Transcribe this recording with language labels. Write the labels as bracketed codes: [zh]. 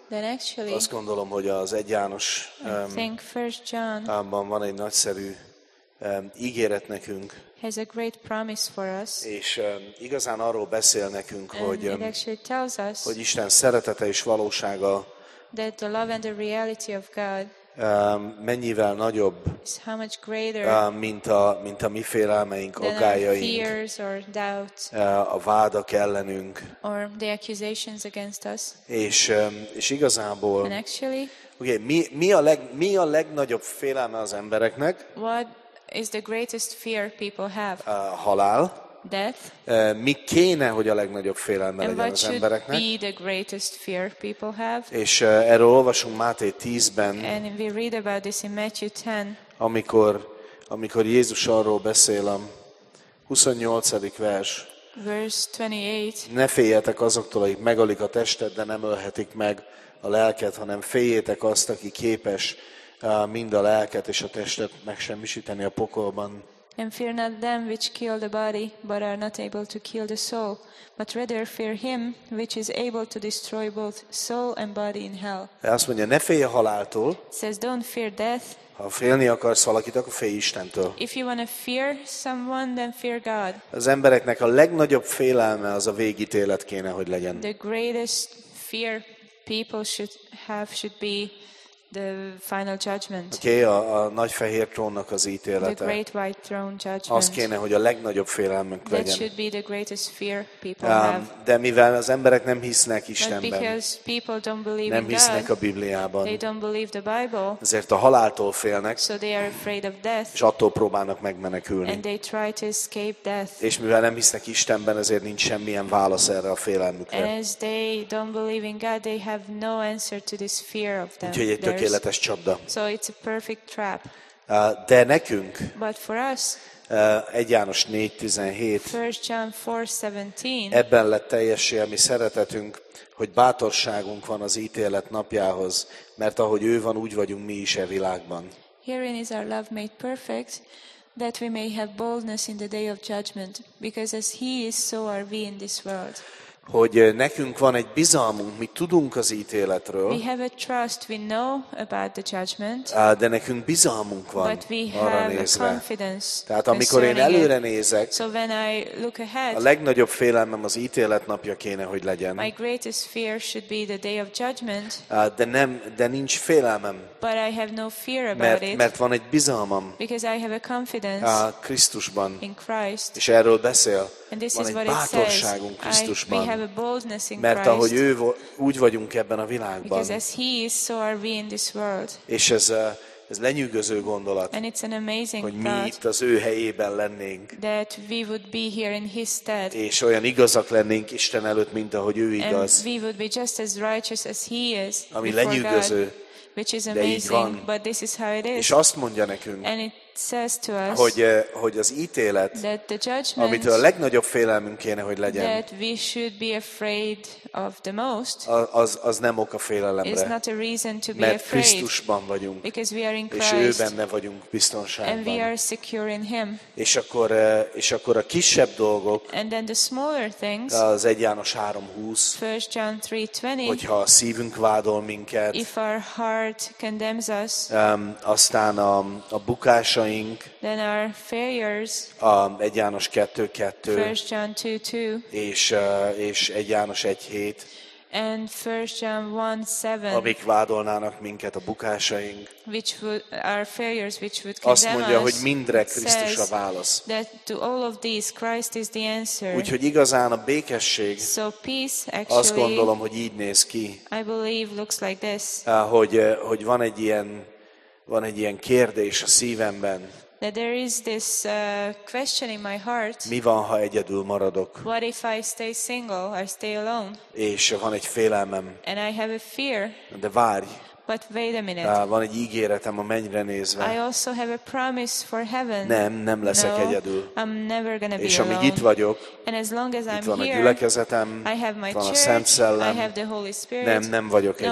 [en] then actually, [hu] azt gondolom, hogy az 1 János [en] think first John, [hu] abban van egy nagyszerű ígéret nekünk. [en] Has a great promise for us. [hu] És igazán arról beszél nekünk, hogy [en] it actually tells us, [hu] hogy Isten szeretete és valósága [en] that the love and the reality of God [hu] mennyivel nagyobb, [en] is how much greater, [hu] mint a mi félelmeink, aggályaink, [en] fears or doubts, [hu] a vádak ellenünk, [en] or the accusations against us. [hu] És igazából [en] and actually, [hu] okay, mi a legnagyobb félelme az embereknek? [en] What is the greatest fear people have? [hu] Halál. [en] Death. [hu] Mi kéne, hogy a legnagyobb félelme legyen az embereknek? [en] And what should be the greatest fear people have? [hu] És erről olvasunk Máté 10-ben. And we read about this in Matthew 10. Amikor Jézus arról beszél, 28. vers. [en] Verse 28. [hu] Ne féljetek azoktól, akik megölik a testet, de nem ölhetik meg a lelket, hanem féljétek azt, aki képes mind a lelket és a testet megsemmisíteni a pokolban. [en] And fear not them which kill the body, but are not able to kill the soul, but rather fear him which is able to destroy both soul and body in hell. [hu] Azt mondja, ne félj a haláltól. [en] Says don't fear death. [hu] Ha félni akarsz valakit, akkor félj Istentől. [en] If you want to fear someone, then fear God. [hu] Az embereknek a legnagyobb félelme az a végítélet kéne, hogy legyen. [en] The greatest fear people should have should be the final judgment. [hu] Okay, a nagy fehér trónnak az ítélete. [en] The great white throne judgment. [hu] Az kéne, hogy a legnagyobb félelmünk legyen. [en] That should be the greatest fear people have. [hu] De mivel az emberek nem hisznek Istenben. [en] But because people don't believe [hu] nem hisznek [en] God, [hu] a Bibliában. [en] They don't believe the Bible. [hu] Ezért a haláltól félnek. [en] So they are afraid of death. [hu] És attól próbálnak megmenekülni. [en] And they try to escape death. [hu] És mivel nem hisznek Istenben, ezért nincs semmilyen válasz erre a félelmükre. [en] And as they don't believe in God, they have no answer to this fear of them. [hu] Úgyhogy egy tökéletes csapda. [en] So it's a perfect trap. [hu] De nekünk, [en] but for us, [hu] 1 János 4:17. [en] 1 John 4:17. [hu] Ebben lett teljessé a mi szeretetünk, hogy bátorságunk van az ítélet napjához, mert ahogy ő van, úgy vagyunk mi is e világban. [en] Herein is our love made perfect, that we may have boldness in the day of judgment, because as he is, so are we in this world. [hu] Hogy nekünk van egy bizalmunk, mi tudunk az ítéletről. [en] We have a trust, we know about the judgment. [hu] De nekünk bizalmunk van [en] but we [hu] arra [en] have [hu] nézve. [en] A confidence. [hu] Tehát amikor én előre nézek, [en] so when I look ahead, [hu] a legnagyobb félelmem az ítélet napja kéne, hogy legyen. [en] My greatest fear should be the day of judgment. [hu] De nincs félelmem. [en] But I have no fear about [hu] mert van egy bizalmam. [en] Because I have a confidence [hu] Krisztusban. [en] In Christ. [hu] És erről beszél. [en] And this [hu] van [en] is [hu] egy [en] what [hu] bátorságunk [en] it says. [hu] Krisztusban. [en] We have a boldness in [hu] mert [en] Christ, [hu] ahogy ő úgy vagyunk ebben a világban. [en] Because as he is, so are we in this world. [hu] És ez lenyűgöző gondolat, [en] and it's an amazing [hu] hogy mi itt az ő helyében lennénk. [en] That we would be here in his stead. [hu] És olyan igazak lennénk Isten előtt, mint ahogy ő igaz. [en] And we would be just as righteous as he is. [hu] Ami lenyűgöző, [en] God, which is amazing, but this is how it is. [hu] És azt mondja nekünk, [en] and it says to us, [hu] hogy az ítélet, amitől a legnagyobb félelmünk kéne, hogy legyen, [en] that we should be afraid of the most, [hu] az nem ok a félelemre, [en] is not a reason to be [hu] mert [en] afraid, [hu] Krisztusban vagyunk, [en] because we are in [hu] és [en] Christ, [hu] ő benne vagyunk biztonságban, [en] and we are secure in him. [hu] És akkor a kisebb dolgok, [en] and then the smaller things, [hu] az 1 János 3:20, [en] 1 John 3:20, [hu] hogyha a szívünk vádol minket, [en] if our heart condemns us, [hu] aztán a bukás [en] then our failures, [hu] 1 János 2:2, [en] 1 John 2:2, [hu] és 1 János 1:7, [en] and 1 John 1:7, [hu] amik vádolnának minket a bukásaink, [en] which would, our failures, which would condemn us, [hu] azt mondja, hogy mindre Krisztus a válasz. [en] That to all of these, Christ is the answer. [hu] Úgyhogy igazán a békesség, [en] so peace, actually, [hu] azt gondolom, hogy így néz ki, [en] I believe looks like this, [hu] hogy van egy ilyen Van egy ilyen kérdés a szívemben. [en] That there is this question in my heart. [hu] Mi van, ha egyedül maradok? [en] What if I stay single or stay alone? [hu] És van egy félelmem. [en] And I have a fear. [hu] De várj. [en] But wait a minute. [hu] Van egy ígéretem a mennyre nézve. [en] I also have a promise for heaven. [hu] Nem leszek [en] no, [hu] egyedül. [en] I'm never gonna be [hu] És amíg [en] alone. [hu] Itt vagyok, [en] and as long as [hu] itt [en] I'm [hu] van [en] here, [hu] a gyülekezetem, [en] I have my [hu] van [en] church, [hu] a Szent Szellem, [en] I have the Holy Spirit. [hu] Nem vagyok [en] no,